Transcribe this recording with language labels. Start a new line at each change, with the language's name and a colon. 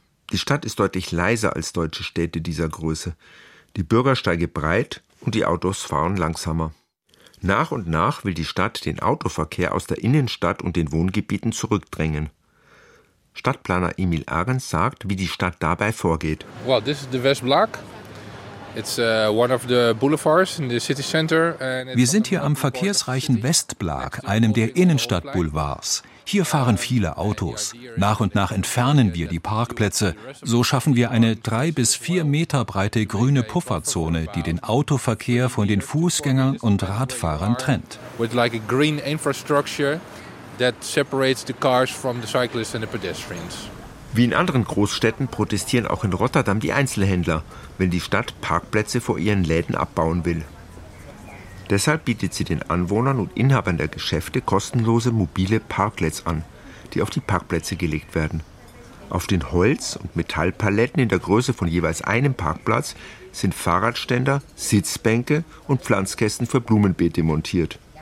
German: Die Stadt ist deutlich leiser als deutsche Städte dieser Größe. Die Bürgersteige breit und die Autos fahren langsamer. Nach und nach will die Stadt den Autoverkehr aus der Innenstadt und den Wohngebieten zurückdrängen. Stadtplaner Emil Ahrens sagt, wie die Stadt dabei vorgeht.
English: Well, this is the West Block. It's one of the boulevards in the city center.
German: Wir sind hier am verkehrsreichen Westblock, einem der Innenstadtboulevards. Hier fahren viele Autos. Nach und nach entfernen wir die Parkplätze. So schaffen wir eine 3 bis 4 Meter breite grüne Pufferzone, die den Autoverkehr von den Fußgängern und Radfahrern trennt.
English: With like a green infrastructure that separates the cars from the cyclists and the pedestrians.
German: Wie in anderen Großstädten protestieren auch in Rotterdam die Einzelhändler, wenn die Stadt Parkplätze vor ihren Läden abbauen will. Deshalb bietet sie den Anwohnern und Inhabern der Geschäfte kostenlose mobile Parklets an, die auf die Parkplätze gelegt werden. Auf den Holz- und Metallpaletten in der Größe von jeweils einem Parkplatz sind Fahrradständer, Sitzbänke und Pflanzkästen für Blumenbeete montiert.